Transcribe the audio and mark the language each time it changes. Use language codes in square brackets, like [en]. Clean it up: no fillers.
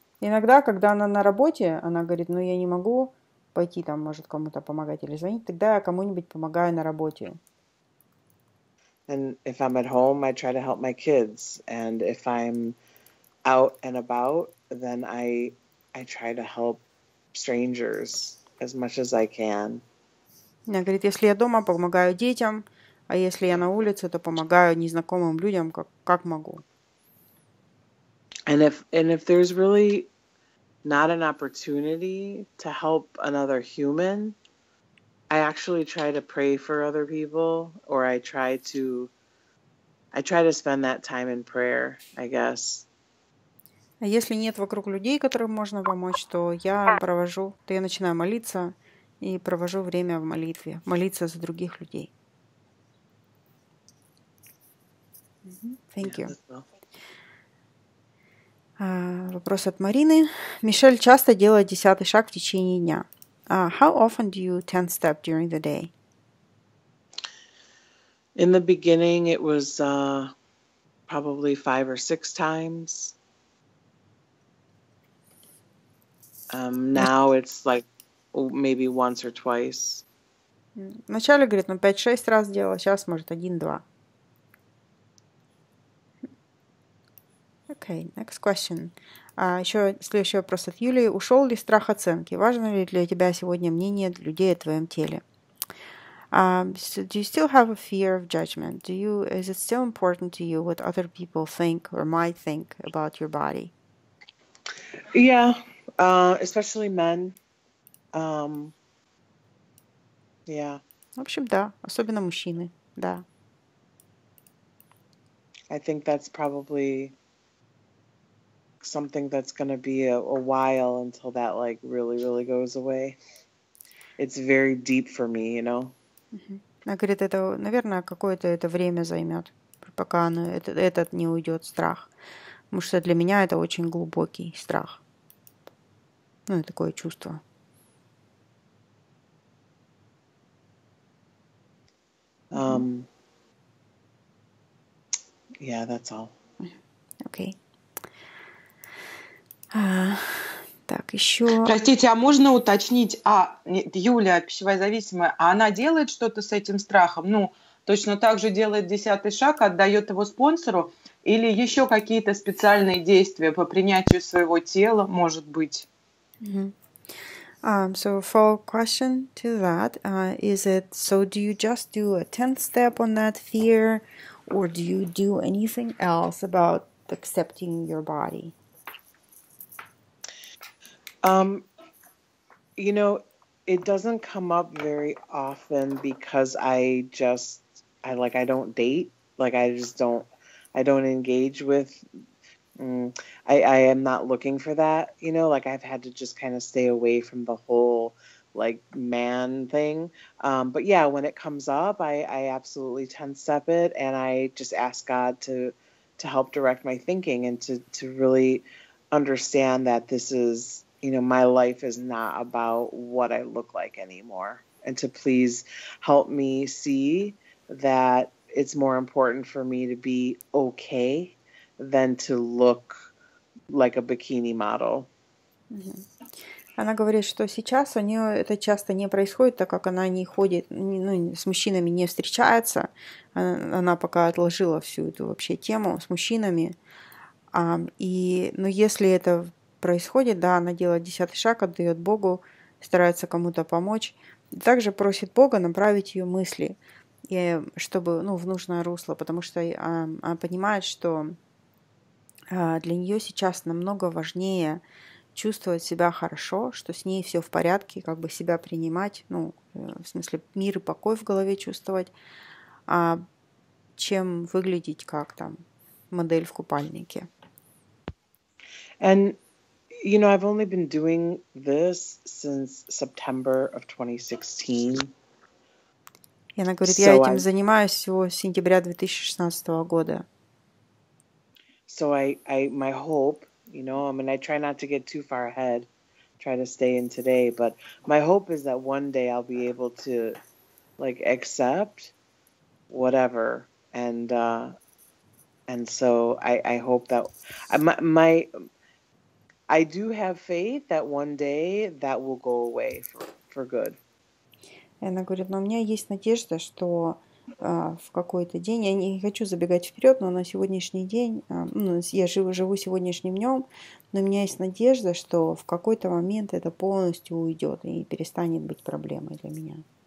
[ru] Иногда, когда она на работе, она говорит, ну, я не могу пойти там, может, кому-то помогать или звонить, тогда я кому-нибудь помогаю на работе. [en] And if I'm at home, I try to help my kids. And if I'm out and about, then I try to help strangers as much as I can. [ru] Она говорит, если я дома, помогаю детям, а если я на улице, то помогаю незнакомым людям, как могу. [en] And if there's really not an opportunity to help another human, I actually try to pray for other people, or I try to spend that time in prayer, I guess. [ru] Если нет вокруг людей, которым можно помочь, то я провожу, то я начинаю молиться и провожу время в молитве, молиться за других людей. [en] Thank you. [ru] Вопрос от Марины. Мишель часто делает десятый шаг в течение дня. [en] How often do you 10th step during the day? In the beginning, it was probably 5 or 6 times. Now it's like maybe once or twice. [ru] Вначале, говорит, ну 5-6 раз делала, сейчас, может, 1-2. [en] Okay, next question. [ru] Еще следующий вопрос от Юлии. Ушел ли страх оценки? Важно ли для тебя сегодня мнение людей о твоем теле? [en] So do you still have a fear of judgment? Do you, is it still important to you what other people think or might think about your body? Yeah, especially men. [ru] В общем, да, особенно мужчины, да. [en] I think that's probably something that's going to be a while until that like really, really goes away. It's very deep for me, you know? [ru] Она говорит, это, наверное, какое-то это время займет, пока оно, этот не уйдет страх. Потому что для меня это очень глубокий страх. Ну, такое чувство. [en] Yeah, that's all. Okay. [ru] Так, еще... Простите, а можно уточнить? А, нет, Юля, пищевая зависимая, а она делает что-то с этим страхом? Ну, точно так же делает десятый шаг, отдает его спонсору? Или еще какие-то специальные действия по принятию своего тела, может быть? [en] Mm-hmm. So, follow-up question to that. Is it, so do you just do a 10th step on that fear? Or do you do anything else about accepting your body? You know, it doesn't come up very often because I don't date. Like, I don't engage with, I am not looking for that, you know, like I've had to just kind of stay away from the whole like man thing. But yeah, when it comes up, I absolutely 10-step it. And I just ask God to help direct my thinking and to really understand that this is, you know, my life is not about what I look like anymore. And to please help me see that it's more important for me to be okay than to look like a bikini model. [ru] Она говорит, что сейчас у нее это часто не происходит, так как она не ходит, ну, с мужчинами не встречается. Она пока отложила всю эту вообще тему с мужчинами. Но если это происходит, да, она делает десятый шаг, отдает Богу, старается кому-то помочь. Также просит Бога направить ее мысли, чтобы, ну, в нужное русло, потому что она понимает, что для нее сейчас намного важнее чувствовать себя хорошо, что с ней все в порядке, как бы себя принимать, ну, в смысле, мир и покой в голове чувствовать, чем выглядеть как там модель в купальнике. [en] And... You know, I've only been doing this since September of 2016. [ru] И она говорит, я этим занимаюсь всего с сентября 2016 года. [en] So I my hope, you know, I mean, I try not to get too far ahead, try to stay in today, but my hope is that one day I'll be able to, like, accept whatever and so I hope that I do have faith that one day that will go away for good. [ru] Она говорит, но у меня есть надежда, что в какой-то день, я не хочу забегать вперед, но на сегодняшний день, я живу сегодняшним днем, но у меня есть надежда, что в какой-то момент это полностью уйдет и перестанет быть проблемой для меня.